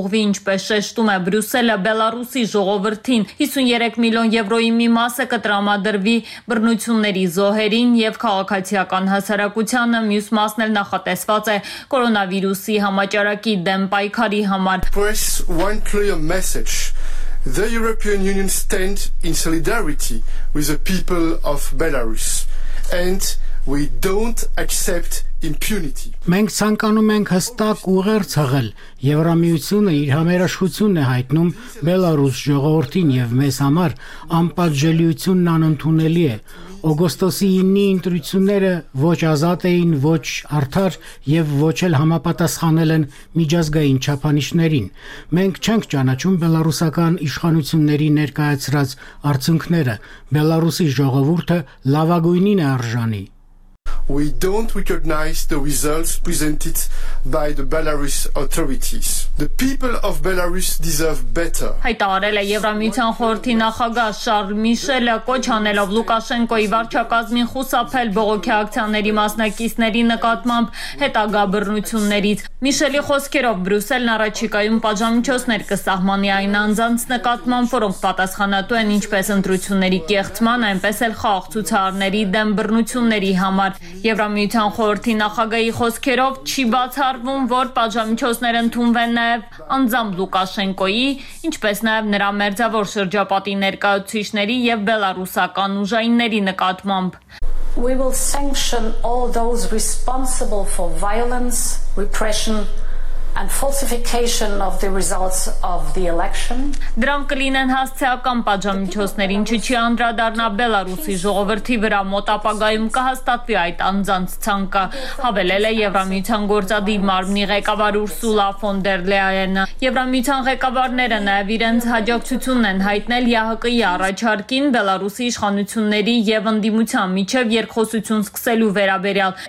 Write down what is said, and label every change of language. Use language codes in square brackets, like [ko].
[hy] ինչպես շեշտում է Բրյուսելը, Բելարուսի ժողովրդին 53 միլիոն եվրոյի մի մասը կտրամադրվի բռնությունների զոհերին եւ քաղաքացիական հասարակությանը, մյուս մասն էլ նախատեսված է կորոնավիրուսի համաճարակի դեմ պայքարի համար։ [en] The European Union stands in solidarity with the people of Belarus and we don't accept impunity. [hy] Մենք ցանկանում ենք հստակ ուղեր ցղել։ Եվրամիությունը իր համերաշխությունն է հայտնում Բելարուս ժողովրդին եւ մեզ համար անպատժելիությունն անընդունելի է։ Օգոստոսի 9-ի ընտրությունները ոչ ազատ էին, ոչ արդար եւ ոչ էլ համապատասխանել են միջազգային չափանիշներին։ Մենք չենք ճանաչում բելարուսական իշխանությունների ներկայացրած արդյունքները։ Բելարուսի ժողովուրդը լավագույնին է արժանի։ [en] We don't recognize the results presented by the Belarus authorities. The people of Belarus deserve better. [hy] Հայտարարել է Եվրամիության խորհրդի նախագահ Շարլ Միշելը, կոչ անելով Լուկաշենկոյի վարչակազմին խուսափել բողոքի ակցիաների մասնակիցների նկատմամբ հետագա բռնություններից։ Միշելի խոսքերով Բրյուսելն առաջիկայում պատժամիջոցներ կսահմանի այն անձանց նկատմամբ, որոնք պատասխանատու են ինչպես ընտրությունների կեղծման, այնպես էլ խաղաղ ցուցարարների դեմ բռնությունների համար։ Եվրամիության խորհրդի նախագահի խոսքերով չի բացառվում, որ պատժամիջոցներ ընդունվեն նաև անձամբ Լուկաշենկոյի, ինչպես նաև նրա մերձավոր շրջապատի ներկայացուցիչների եւ բելարուսական ուժայինների նկատմամբ։ [en] We will sanction all those responsible for violence, repression and falsification of the results of the election. [hy] Դրանք կլինեն հասցեական պատժամիջոցներ, ինչը չի անդրադառնա Բելարուսի ժողովրդի վրա, մոտ ապագայում կհաստատվի այդ անձանց ցանկը, հավելել է Եվրամիության գործադիր մարմնի ղեկավար Ուրսուլա ֆոն դեր Լեայենը։ Եվրամիության ղեկավարները նաև իրենց հաջողությունն են հայտնել ԵԱՀԿ-ի առաջարկին Բելարուսի իշխանությունների եւ ընդդիմության միջև երկխոսություն սկսելու վերաբերյալ,